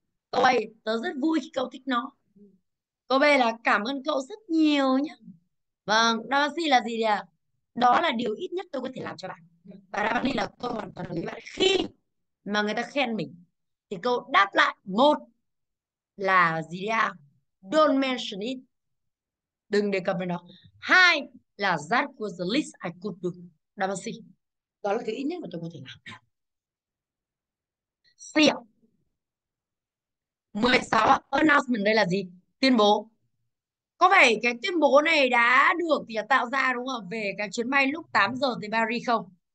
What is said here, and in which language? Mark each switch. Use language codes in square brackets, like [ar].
[vi] Cô ấy, tớ rất vui khi cậu thích nó. Cô B là cảm ơn cậu rất nhiều nhé. Vâng, đó là gì đấy à? Đó là điều ít nhất tôi có thể làm cho bạn. Và đáp án là tôi hoàn toàn đồng ý bạn. Khi mà người ta khen mình thì câu đáp lại một là gì đấy à? [en] Don't mention it. [vi] Đừng đề cập về nó. Hai là [en] that was the least I could do. [vi] Đáp án C. Đó là cái ít nhất mà tôi có thể làm. Xỉu. 16 announcement đây là gì? Tuyên bố. Có phải cái tuyên bố này đã được thì tạo ra đúng không? Về cái chuyến bay lúc 8 giờ tới Paris không?